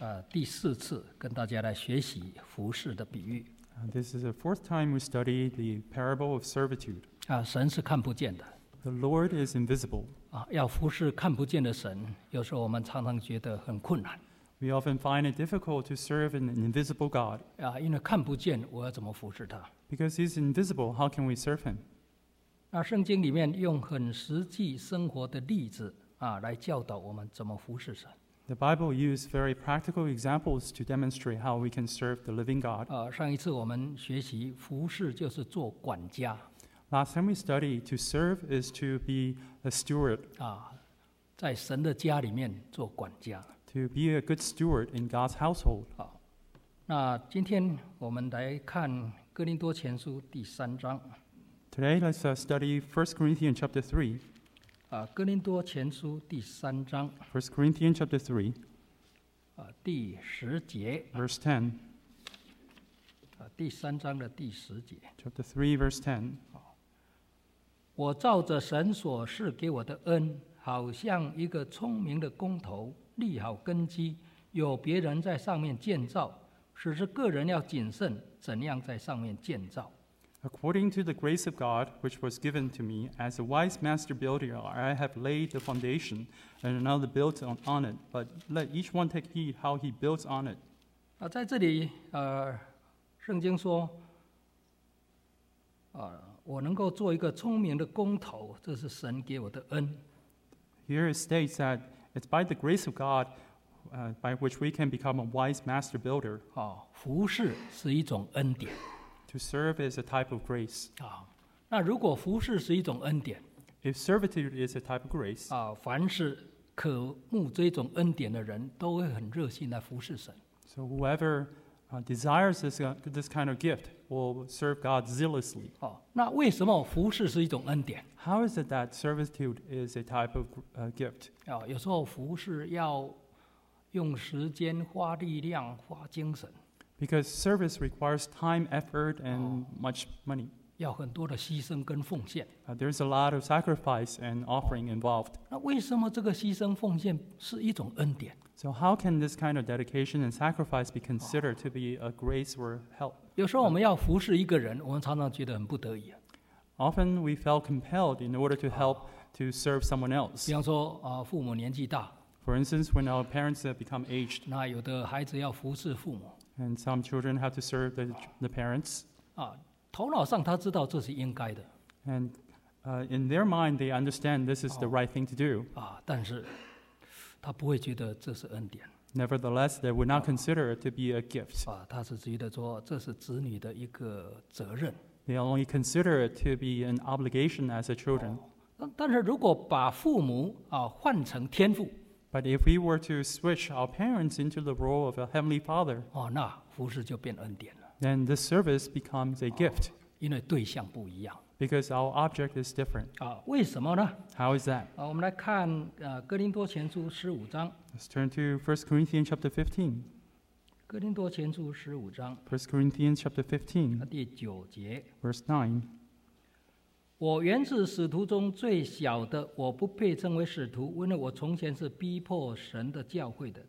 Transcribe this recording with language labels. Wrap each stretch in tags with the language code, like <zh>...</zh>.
<zh>第四次跟大家来学习服事的比喻。</zh> <en>This is the fourth time we study the parable of servitude。</en> <zh>神是看不见的。</zh> <en>The Lord is invisible。</en> <zh>要服事看不见的神，有时候我们常常觉得很困难。</zh> <en>We often find it difficult to serve an invisible God。</en> <zh>因为看不见，我要怎么服事他</zh> <en>？Because he's invisible, how can we serve him？</en> <zh>圣经里面用很实际生活的例子来教导我们怎么服事神。</zh> <en>The Bible uses very practical examples to demonstrate how we can serve the living God。</en> <zh>上一次我们学习服事就是做管家。</zh> <en>Last time we studied to serve is to be a steward。</en> <zh>在神的家里面做管家。</zh> <en>To be a good steward in God's household。</en> <zh>那今天我们来看哥林多前书第三章。</zh> <en>Today, let's study 1 Corinthians chapter 3.</en> <zh>哥林多前书第三章。</zh> <en>1 Corinthians chapter 3.</en> <zh>第十节。</zh> <en>Verse 10.</en> <zh>第三章的第十节。</zh> <en>Chapter 3, verse 10.</en> <zh>我照着神所赐给我的恩，好像一个聪明的工头，立好根基，有别人在上面建造，只是个人要谨慎，怎样在上面建造。</zh> <en>According to the grace of God, which was given to me, as a wise master builder, I have laid the foundation, and another built on it. But let each one take heed how he builds on it.</en> <zh>在这里，圣经说，我能够做一个聪明的工头，这是神给我的恩。</zh> <en>Here it states that it's by the grace of God, by which we can become a wise master builder.</en> <zh>服事是一种恩典。</zh> <en>To serve is a type of grace.</en> <zh>那如果服事是一种恩典</zh> <en>，If servitude is a type of grace,</en> <zh>凡是渴慕这种恩典的人，都会很热心来服事神。</zh> <en>So whoever desires this kind of gift will serve God zealously.</en> <zh>那为什么服事是一种恩典</zh> <en>？How is it that servitude is a type of gift？</en> <zh>有时候服事要用时间、花力量、花精神。</zh> <en>Because service requires time, effort, and much money.</en> <zh>要很多的牺牲跟奉献。</zh> <en>There's a lot of sacrifice and offering involved.</en> <zh>那为什么这个牺牲奉献是一种恩典？</zh> <en>So how can this kind of dedication and sacrifice be considered to be a grace or help?</en> <zh>有时候我们要服侍一个人，我们常常觉得很不得已。</zh> <en>Often we felt compelled in order to help to serve someone else.</en> <zh>比方说，父母年纪大。</zh> <en>For instance, when our parents have become aged.</en> <zh>那有的孩子要服侍父母。</zh> <en>And some children have to serve the parents.</en> <zh>头脑上他知道这是应该的。</zh> <en>And in their mind, they understand this is the right thing to do.</en> <zh>但是他不会觉得这是恩典。</zh> <en>Nevertheless, they would not consider it to be a gift.</en> <zh>他是觉得说这是子女的一个责任。</zh> <en>They only consider it to be an obligation as a children.</en> <zh>但是如果把父母换成天父。</zh> <en>But if we were to switch our parents into the role of a heavenly father,</en> <zh>那服事就变恩典了。</zh> <en>Then the service becomes a gift.</en> <zh>因为对象不一样。</zh> <en>Because our object is different.</en> <zh>为什么呢？</zh> <en>How is that?</en> <zh>我们来看哥林多前书十五章。</zh> <en>Let's turn to 1 Corinthians chapter 15.</en> <zh>哥林多前书十五章。</zh> <en>1 Corinthians chapter 15.</en> <zh>第九节。</zh> <en>Verse 9.</en> <zh>我原是使徒中最小的，我不配称为使徒，因为我从前是逼迫神的教会的。</zh>